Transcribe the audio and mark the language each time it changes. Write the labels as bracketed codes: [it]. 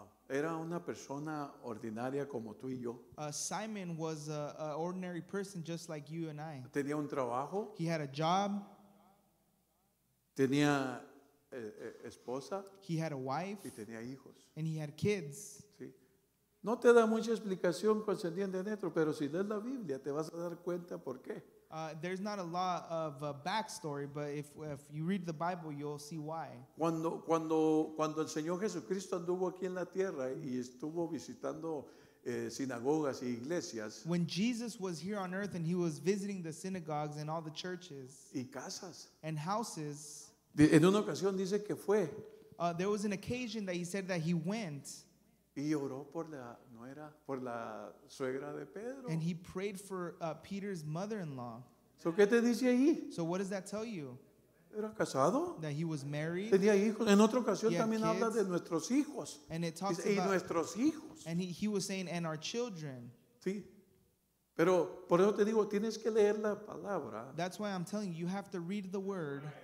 [es] Era una persona ordinaria como tú y yo. [en] Simon was an ordinary person just like you and I. [es] Tenía un trabajo. [en] He had a job. [es] Tenía esposa. [en] He had a wife. [es] Y tenía hijos. [en] And he had kids. [es] Sí. No te da mucha explicación concerniente en esto, pero si lees la Biblia te vas a dar cuenta por qué. [en] There's not a lot of a backstory, but if you read the Bible, you'll see why. [es] Cuando el Señor Jesucristo anduvo aquí en la tierra y estuvo visitando sinagogas y iglesias. [en] When Jesus was here on earth and he was visiting the synagogues and all the churches. [es] Y casas. [en] And houses. [es] En una ocasión dice que fue. [en] There was an occasion that he said that he went. [es] Y oró por la nuera, por la suegra de Pedro. [en] And he prayed for Peter's mother-in-law. [es] So, ¿qué te dice ahí? [en] So what does that tell you? [es] ¿Era casado? [en] That he was married. [es] Tenía hijos. En otra ocasión también habla de nuestros hijos. [en] And it talks about, [es] y nuestros hijos. [en] And he was saying, and our children. [es] Sí. Pero por eso te digo, tienes que leer la palabra. [en] That's why I'm telling you, you have to read the word.